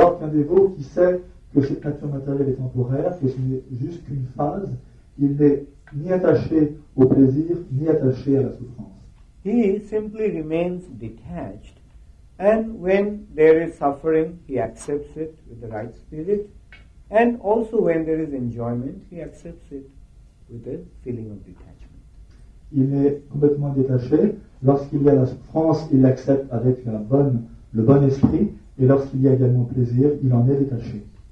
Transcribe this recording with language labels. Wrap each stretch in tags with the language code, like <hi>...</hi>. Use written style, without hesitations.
<fr>Alors qu'un dévot qui sait que cette nature matérielle est temporaire, que ce n'est juste qu'une phase, il n'est ni attaché au plaisir, ni attaché à la souffrance.</fr> <en>He simply remains detached, and when there is suffering, he accepts it with the right spirit, and also when there is enjoyment, he accepts it with a feeling of detachment.</en> <fr>Il est complètement détaché. Lorsqu'il y a la souffrance, il l'accepte avec le bon esprit, et lorsqu'il y a également plaisir, il en est détaché.</fr>